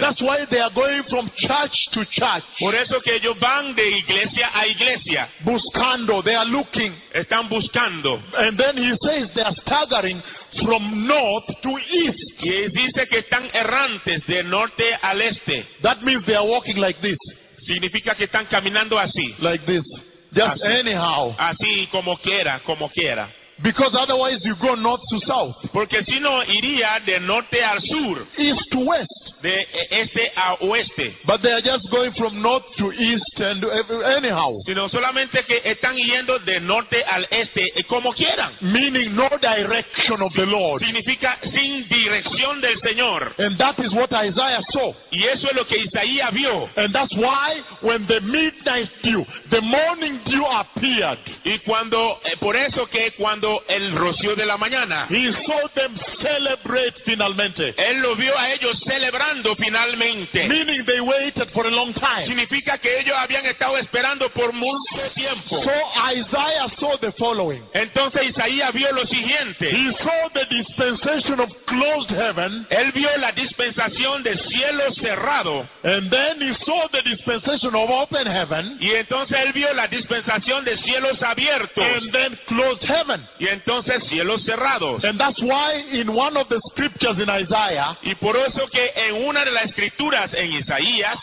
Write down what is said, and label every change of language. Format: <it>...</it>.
<en>That's why they are going from church to church.</en> <es>Por eso que ellos van de iglesia a iglesia.</es> <en>Buscando. They are looking.</en> <es>Están buscando.</es> <en>And then he says they are staggering from north to east.</en> <es>Y dice que están errantes de norte al este.</es> <en>That means they are walking like this.</en> <es>Significa que están caminando así.</es> <en>Like this. Just Anyhow.</en> <es>Así como quiera, como quiera.</es> <en>Because otherwise you go north to south.</en> <es>Porque si no iría de norte al sur.</es> <en>East to west.</en> <es>De este a oeste.</es> <en>But they are just going from north to east and anyhow.</en> <es>Sino solamente que están yendo de norte al este como quieran.</es> <en>Meaning no direction of the Lord.</en> <es>Significa sin dirección del Señor.</es> <en>And that is what Isaiah saw.</en> <es>Y eso es lo que Isaías vio.</es> <en>And that's why when the midnight dew, the morning dew appeared.</en> <es>Y cuando por eso que cuando el rocío de la mañana.</es> <en>He saw them celebrate finalmente.</en> <es>Él lo vio a ellos celebrando finalmente.</es> <en>Meaning they waited for a long time.</en> <es>Significa que ellos habían estado esperando por mucho tiempo.</es> <en>So Isaiah saw the following.</en> <es>Entonces Isaías vio lo siguiente.</es> <en>He saw the dispensation of closed heaven.</en> <es>Él vio la dispensación de cielo cerrado.</es> <en>And then he saw the dispensation of open heaven.</en> <es>Y entonces él vio la dispensación de cielos abiertos.</es> <en>And then closed heaven.</en> <es>Y entonces cielos cerrados.</es> <en>And that's why in one of the scriptures in Isaiah,</en> <es>y por eso que en una de las escrituras en Isaías,</es>